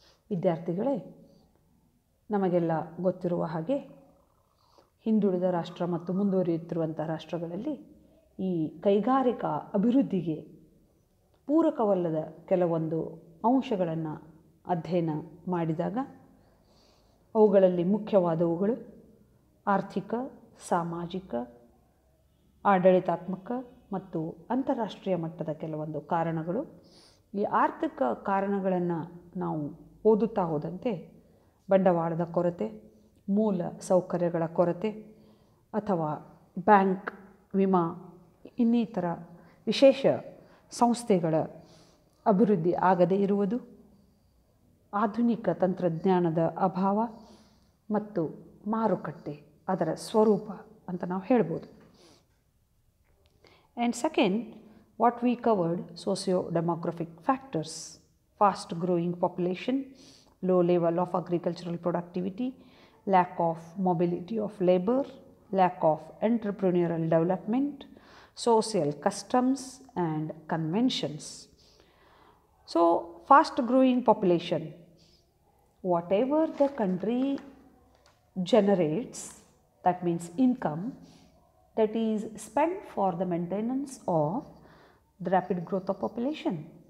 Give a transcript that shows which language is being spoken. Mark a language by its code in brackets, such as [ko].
[kn] Vidyarthigale, namagella gottiruva hage hindurida rashtra mattu munduriyuttiruvanta rashtragalalli ee kaigarika abhivruddhige purakavallada kelavondu ಅಂಶಗಳನ್ನು ಅಧ್ಯಯನ ಮಾಡಿದಾಗ ಅವುಗಳಲ್ಲಿ ಮುಖ್ಯವಾದವುಗಳು ಆರ್ಥಿಕ, ಸಾಮಾಜಿಕ, ಆಡಳಿತಾತ್ಮಕ ಮತ್ತು ಅಂತಾರಾಷ್ಟ್ರೀಯ ಮಟ್ಟದ ಕೆಲವೊಂದು ಕಾರಣಗಳು. ಈ ಆರ್ಥಿಕ ಕಾರಣಗಳನ್ನು ನಾವು ಓದುತ್ತಾ ಹೋದಂತೆ ಬಂಡವಾಳದ ಕೊರತೆ, ಮೂಲ ಸೌಕರ್ಯಗಳ ಕೊರತೆ ಅಥವಾ ಬ್ಯಾಂಕ್, ವಿಮಾ ಇನ್ನಿತರ ವಿಶೇಷ ಸಂಸ್ಥೆಗಳ ಅಭಿವೃದ್ಧಿ ಆಗದೇ ಇರುವುದು, ಆಧುನಿಕ ತಂತ್ರಜ್ಞಾನದ ಅಭಾವ ಮತ್ತು ಮಾರುಕಟ್ಟೆ ಅದರ ಸ್ವರೂಪ ಅಂತ ನಾವು ಹೇಳ್ಬೋದು. [en] And second, what we covered socio demographic factors: fast growing population, low level of agricultural productivity, lack of mobility of labour, lack of entrepreneurial development, social customs and conventions. So, fast growing population, whatever the country generates, that means income, that is spent for the maintenance of the rapid growth of population.